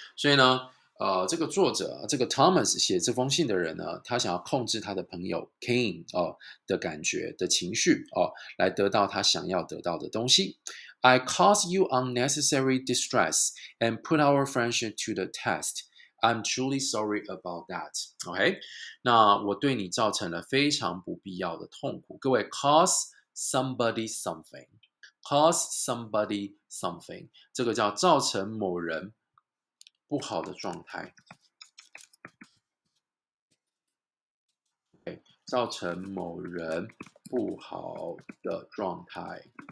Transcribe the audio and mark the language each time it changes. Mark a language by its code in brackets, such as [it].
[zh] 所以呢、这个作者这个 Thomas 写这封信的人呢，他想要控制他的朋友 Kane、的感觉的情绪、来得到他想要得到的东西。 [en] I caused you unnecessary distress and put our friendship to the test. I'm truly sorry about that. [zh] OK， 那我对你造成了非常不必要的痛苦。各位 [en] cause somebody something， [zh] cause somebody something， 这个叫造成某人不好的状态、okay， 造成某人不好的状态。